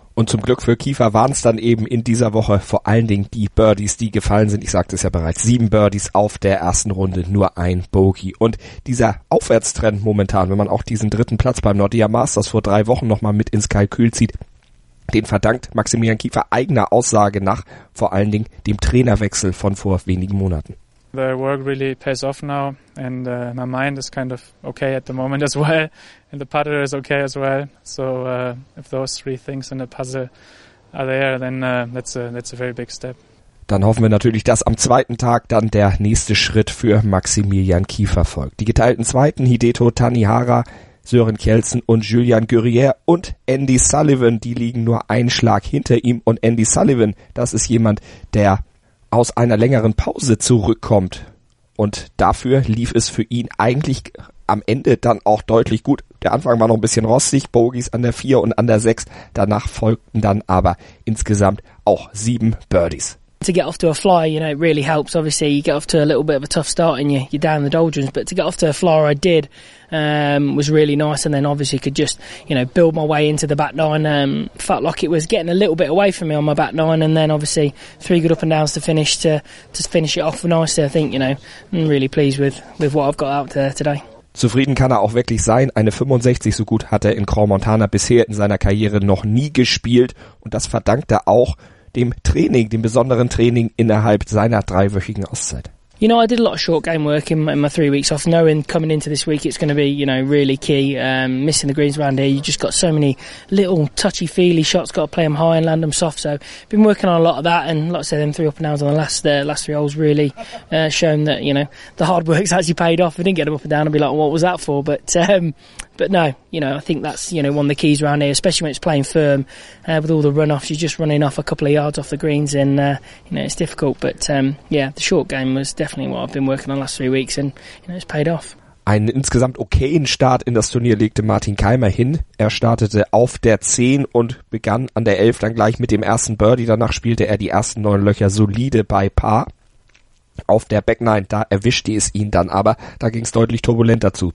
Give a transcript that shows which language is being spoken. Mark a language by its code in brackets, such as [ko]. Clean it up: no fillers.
[de] Und zum Glück für Kiefer waren es dann eben in dieser Woche vor allen Dingen die Birdies, die gefallen sind. Ich sagte es ja bereits, 7 Birdies auf der ersten Runde, nur ein Bogey. Und dieser Aufwärtstrend momentan, wenn man auch diesen 3. Platz beim Nordea Masters vor 3 Wochen nochmal mit ins Kalkül zieht, den verdankt Maximilian Kiefer eigener Aussage nach vor allen Dingen dem Trainerwechsel von vor wenigen Monaten. [en] The work really pays off now and my mind is kind of okay at the moment as well and the putter is okay as well. So if those 3 things in the puzzle are there, then that's a very big step. [de] Dann hoffen wir natürlich, dass am 2. Tag dann der nächste Schritt für Maximilian Kiefer folgt. Die geteilten 2. Hideto Tanihara, Søren Kjeldsen und Julien Gurrier und Andy Sullivan, die liegen nur einen Schlag hinter ihm. Und Andy Sullivan, das ist jemand, der aus einer längeren Pause zurückkommt. Und dafür lief es für ihn eigentlich am Ende dann auch deutlich gut. Der Anfang war noch ein bisschen rostig, Bogies an der 4 und an der 6. Danach folgten dann aber insgesamt auch 7 Birdies. [en] To get off to a fly, you know, it really helps. Obviously, you get off to a little bit of a tough start and you're down the doldrums. But to get off to a fly, I did, was really nice. And then obviously could just, you know, build my way into the back nine. Felt like it was getting a little bit away from me on my back nine. And then obviously 3 good up and downs to finish it off nicely. I think, you know, I'm really pleased with what I've got out there today. [de] Zufrieden kann er auch wirklich sein. Eine 65 so gut hat er in Crans-Montana bisher in seiner Karriere noch nie gespielt. Und das verdankt er auch dem Training, dem besonderen Training innerhalb seiner 3-wöchigen Auszeit. [en] You know, I did a lot of short game work in my 3 weeks off, knowing coming into this week it's going to be, you know, really key. Missing the greens around here, you just got so many little touchy feely shots, got to play them high and land them soft. So, been working on a lot of that, and like I said, them 3 up and downs on the last 3 holes really shown that, you know, the hard work's actually paid off. If I didn't get them up and down, I'd be like, what was that for? But no, you know, I think that's, you know, one of the keys around here, especially when it's playing firm with all the runoffs. You're just running off a couple of yards off the greens and, you know, it's difficult. But the short game was definitely what I've been working on the last 3 weeks and, you know, it's paid off. [de] Einen insgesamt okayen Start in das Turnier legte Martin Keimer hin. Er startete auf der 10 und begann an der 11 dann gleich mit dem ersten Birdie. Danach spielte er die ersten 9 Löcher solide bei Par. Auf der Back 9, da erwischte es ihn dann aber, da ging es deutlich turbulenter zu.